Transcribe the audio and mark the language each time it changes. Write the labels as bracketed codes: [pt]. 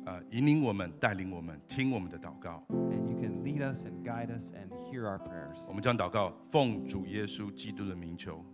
[zh] 引领我们，带领我们，听我们的祷告。 [en] And you can lead us and guide us and hear our prayers. [zh] 我们将祷告奉主耶稣基督的名求。